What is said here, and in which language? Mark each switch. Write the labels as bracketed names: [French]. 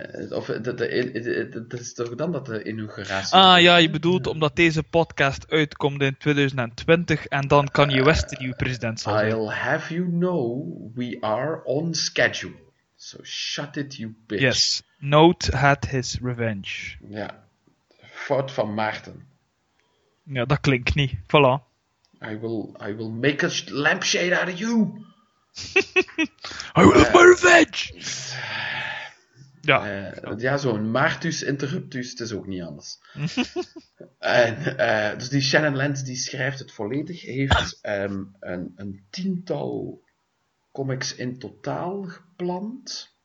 [Dutch] Of het is toch dan dat de inauguratie... Ah ja, je bedoelt omdat deze podcast uitkomt in 2020 en dan kan je West de nieuwe president zijn. [English] I'll have you know, we are on schedule. So shut it, you bitch. Yes, Note had his revenge. [Dutch] Ja, fout van Maarten. Ja, dat klinkt niet. Voilà. [English] I will make a lampshade out of you. I will have my revenge. Ja. [Dutch] Ja, zo'n Martus Interruptus, het is ook niet anders. En, dus die Shannon Lentz, die schrijft het volledig, heeft een tiental comics in totaal gepland.